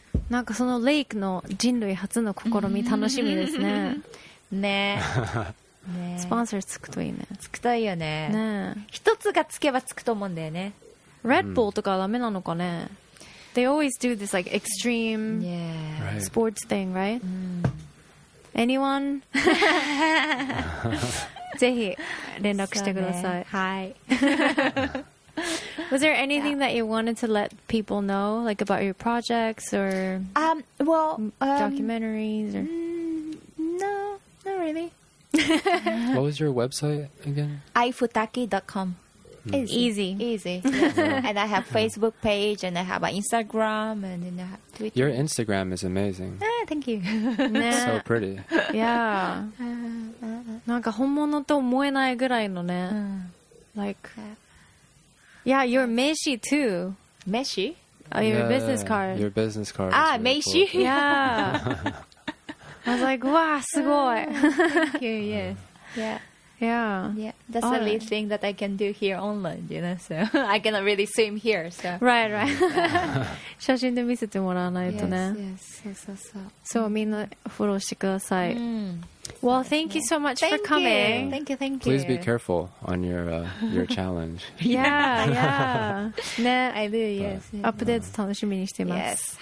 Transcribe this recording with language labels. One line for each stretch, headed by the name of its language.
Japanese: なんかそのレイクの人類初の試み楽しみですね。ね。スポンサーつくといいね。つくといいよね。ね。一つがつけばつくと思うんだよね。 Red Bull とかダメなのかね。
English: They always do this like extreme sports thing, right? Anyone?
Japanese: ぜひ連絡してください。はい。
English: Was there anything that you wanted to let people know, like about your projects or documentaries? Or? No, not really. What was your website again? Ifutaki.com. Easy. And I have Facebook page, and I have an Instagram, and then I have Twitter. Your Instagram is amazing. Thank you. It's so pretty. Yeah.
Japanese: なんか本物と思えないぐらいのね。
English: Like, yeah, your meshi too. Meshi? Oh, your business card. Your business card. Ah, meshi? Cool. Yeah. I was like, wow,
Japanese: すごい.
English: Thank you, yes. Yeah. Yeah. Yeah. That's the least thing that I can do here online, you know, so I cannot really swim here, so. Right.
Japanese: 写真で見せてもらわないとね。
English: Yes, so.
Japanese: So, みんなフォローしてください。
English: Well, thank you so much for coming. Thank you. Please be careful on your challenge. Yeah. I do, yes.
Japanese: アップデート楽しみにしています。